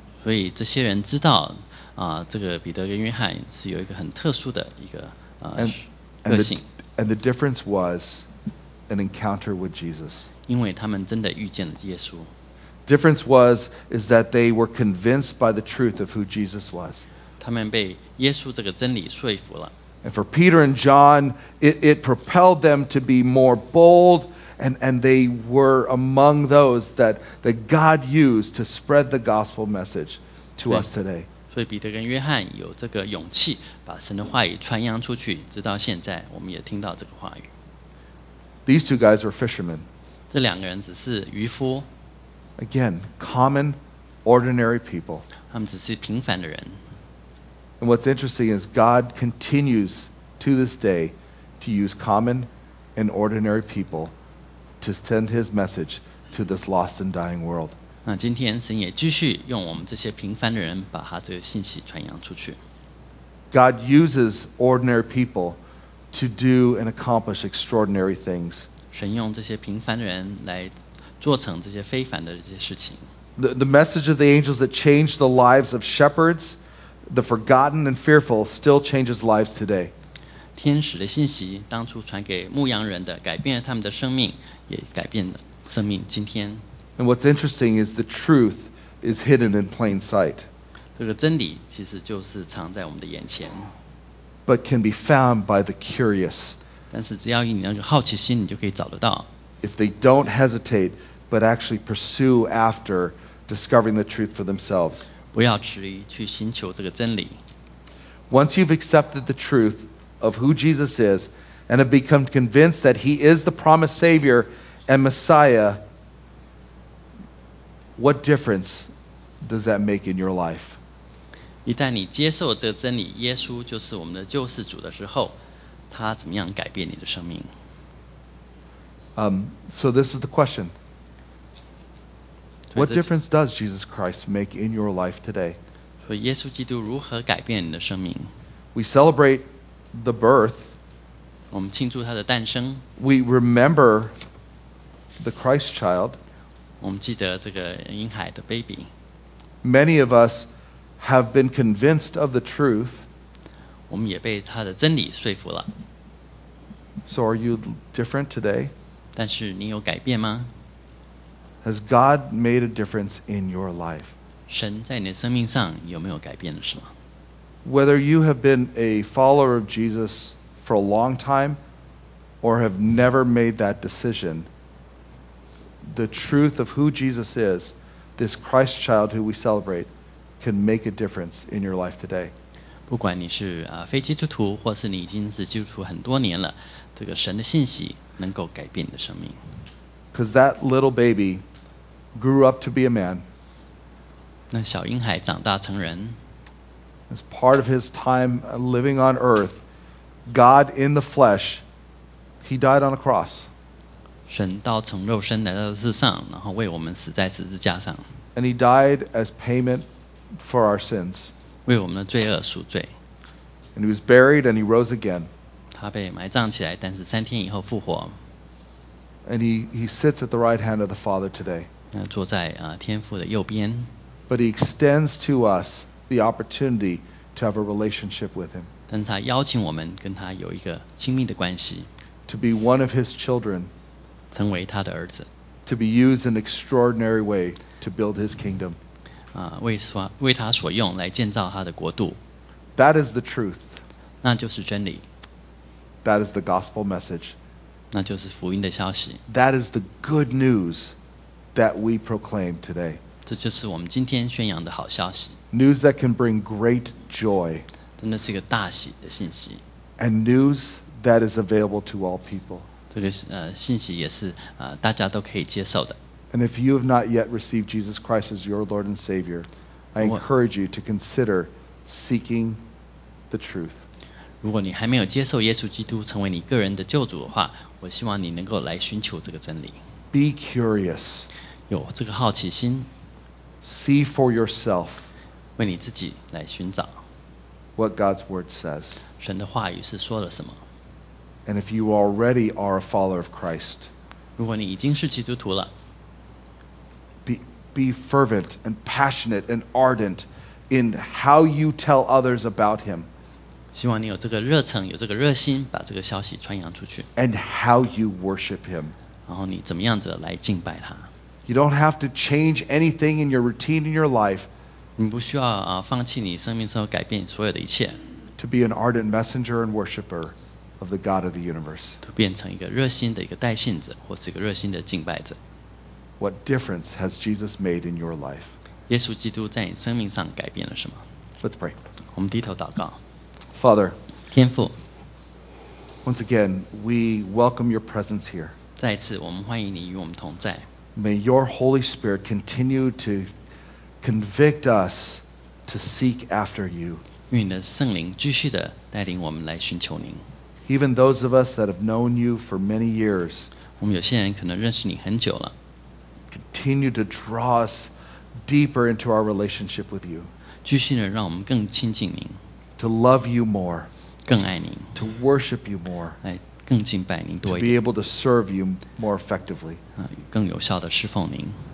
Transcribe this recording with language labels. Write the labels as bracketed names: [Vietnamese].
[Chinese] 所以这些人知道这个彼得跟约翰是有一个很特殊的一个个性。 [English] And the difference was an encounter with Jesus. [Chinese] 因为他们真的遇见了耶稣。 [English] Difference was is that they were convinced by the truth of who Jesus was. [Chinese] 他们被耶稣这个真理说服了。 [English] And for Peter and John, it propelled them to be more bold, and they were among those that God used to spread the gospel message to us today. [Chinese] 所以彼得跟约翰有这个勇气把神的话语传扬出去，直到现在我们也听到这个话语。 [English] These two guys were fishermen. [Chinese] 这两个人只是渔夫。 [English] Again, common, ordinary people. [Chinese] 他们只是平凡的人。 [English] And what's interesting is God continues to this day to use common and ordinary people to send His message to this lost and dying world. [Chinese] 那今天神也继续用我们这些平凡的人把他这个信息传扬出去。 [English] God uses ordinary people to do and accomplish extraordinary things. [Chinese] 神用这些平凡的人来做成这些非凡的这些事情。 [English] The message of the angels that changed the lives of shepherds, the forgotten and fearful, still changes lives today. [Chinese] 天使的信息当初传给牧羊人的，改变了他们的生命，也改变了生命今天。 [English] And what's interesting is the truth is hidden in plain sight. [Chinese] 这个真理其实就是藏在我们的眼前。 [English] But can be found by the curious. [Chinese] 但是只要以你那个好奇心，你就可以找得到。 [English] If they don't hesitate, but actually pursue after discovering the truth for themselves. [Chinese] 不要迟疑，去寻求这个真理。 [English] Once you've accepted the truth of who Jesus is and have become convinced that He is the promised Savior and Messiah, what difference does that make in your life? [Chinese] 一旦你接受这个真理，耶稣就是我们的救世主的时候，他怎么样改变你的生命？ [English] So this is the question. What difference does Jesus Christ make in your life today? [Chinese] 所以耶稣基督如何改变你的生命？ [English] We celebrate the birth. [Chinese] 我们庆祝他的诞生。 [English] We remember the Christ child. [Chinese] 我们记得这个婴孩的 baby. [English] Many of us have been convinced of the truth. [Chinese] 我们也被他的真理说服了。 [English] So are you different today? [Chinese] 但是你有改变吗？ [English] Has God made a difference in your life? [Chinese] 神在你的生命上有没有改变了什么？ [English] Whether you have been a follower of Jesus for a long time or have never made that decision, the truth of who Jesus is, this Christ child who we celebrate, can make a difference in your life today. [Chinese] 不管你是非基督徒，或是你已经是基督徒很多年了，这个神的信息能够改变你的生命。 [English] Because that little baby grew up to be a man. [Chinese] 那小婴孩长大成人。 [English] As part of his time living on earth, God in the flesh, he died on a cross. [Chinese] 神道成肉身来到世上，然后为我们死在十字架上。 [English] And he died as payment for our sins. [Chinese] 为我们的罪恶赎罪。 [English] And he was buried and he rose again. [Chinese] 他被埋葬起来，但是三天以后复活。 [English] And he sits at the right hand of the Father today. [Chinese] 坐在天父的右边。 [English] But he extends to us the opportunity to have a relationship with him. [Chinese] 但他邀请我们跟他有一个亲密的关系。 [English] to be one of his children, [Chinese] 成为他的儿子, [English] to be used in an extraordinary way to build his kingdom. [Chinese] 为他所用来建造他的国度。 [English] That is the truth. [Chinese] 那就是真理。 [English] That is the gospel message. [Chinese] 那就是福音的消息。 [English] That is the good news that we proclaim today. [Chinese] 这就是我们今天宣扬的好消息。 [English] News that can bring great joy. [Chinese] 真的是一个大喜的信息。 [English] And news that is available to all people. [Chinese] 这个信息也是大家都可以接受的。 [English] And if you have not yet received Jesus Christ as your Lord and Savior, I encourage you to consider seeking the truth. [Chinese] 如果你还没有接受耶稣基督成为你个人的救主的话，我希望你能够来寻求这个真理。 [English] Be curious. [Chinese] 有这个好奇心。 [English] See for yourself. [Chinese] 为你自己来寻找。 [English] What God's Word says. [Chinese] 神的话语是说了什么。 [English] And if you already are a follower of Christ, [Chinese] 如果你已经是基督徒了, [English] be fervent and passionate and ardent in how you tell others about him. [Chinese] 希望你有这个热忱,有这个热心,把这个消息传扬出去。 [English] And how you worship him. [Chinese] 然后你怎么样子来敬拜他。 [English] You don't have to change anything in your routine in your life. [Chinese] 你不需要放弃你生命中改变所有的一切。 [English] To be an ardent messenger and worshiper. Of the God of the universe. [Chinese] 都变成一个热心的一个带信者，或是一个热心的敬拜者。 [English] What difference has Jesus made in your life? [Chinese] 耶稣基督在你生命上改变了什么？ [English] Let's pray. [Chinese] 我们低头祷告。 [English] Father. [Chinese] 天父。 [English] Once again, we welcome your presence here. [Chinese] 再次，我们欢迎你与我们同在。 [English] May your Holy Spirit continue to convict us to seek after you. [Chinese] 愿你的圣灵继续的带领我们来寻求您。 [English] Even those of us that have known you for many years, [Chinese] 我们有些人可能认识你很久了, [English] continue to draw us deeper into our relationship with you, [Chinese] 继续地让我们更亲近您, [English] to love you more, [Chinese] 更爱您, [English] to worship you more, [Chinese] 来更敬拜您多一点, [English] to be able to serve you more effectively, [Chinese] 更有效地侍奉您。